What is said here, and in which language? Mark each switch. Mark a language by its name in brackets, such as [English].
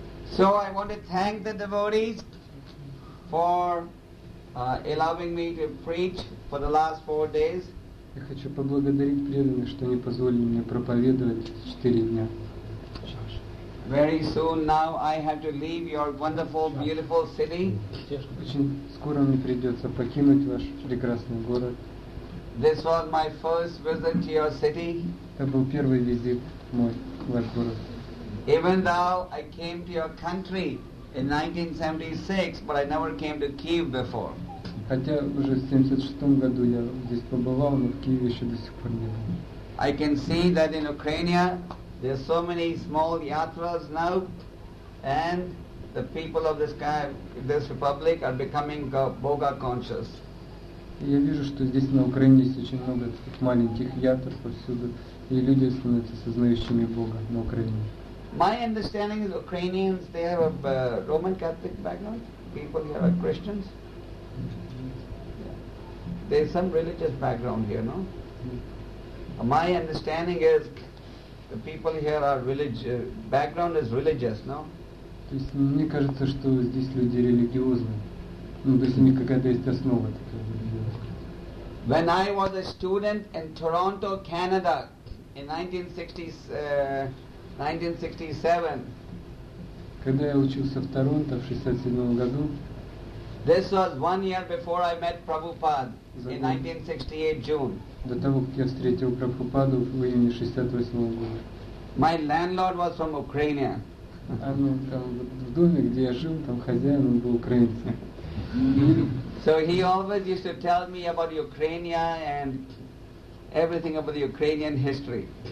[English] So I want to thank the devotees for allowing me to preach for the last 4 days. [Russian] Я хочу поблагодарить преданных, что они позволили мне проповедовать 4 дня. [English] Very soon now I have to leave your wonderful, beautiful city. [Russian] Очень скоро мне придется покинуть ваш прекрасный город. [English] This was my first visit to your city. [Russian] Это был первый визит мой в ваш город. [English] Even though I came to your country in 1976, but I never came to Kyiv before. [Russian] Хотя уже в 76 году я здесь побывал, но в Киеве еще до сих пор не был. [English] I can see that in Ukraine there are so many small yatras now, and the people of this republic are becoming Boga conscious. [Russian] Я вижу, что здесь на Украине есть очень много таких маленьких ятр повсюду, и люди становятся сознающими Бога на Украине. [English] My understanding is Ukrainians, they have a Roman Catholic background. People here are Christians. Yeah. There's some religious background here, no? Mm-hmm. My understanding is the people here are background is religious, no? [Russian] То есть мне кажется, что здесь люди религиозные. Ну, то есть у них какая-то есть основа такая. [English] When I was a student in Toronto, Canada, in 1967. [Russian] Когда я учился в Торонто в 67 году. [English] This was 1 year before I met Prabhupada in 1968 June. [Russian] До того, как я встретил Прабхупаду в июне 68 года. [English] My landlord was from Ukraine. [Russian] А ну там в доме, где я жил, там хозяин он был украинцем. [English] So he always used to tell me about Ukraine and everything about the Ukrainian history.